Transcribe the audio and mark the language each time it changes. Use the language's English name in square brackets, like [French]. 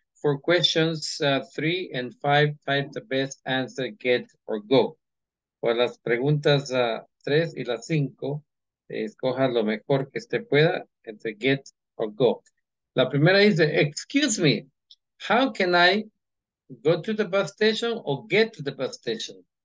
[English] For questions 3 and 5, type the best answer get or go. [Spanish] Por las preguntas 3 y las 5, escoja lo mejor que usted pueda entre get o go. La primera dice, [English] excuse me, how can I go to the bus station or get to the bus station?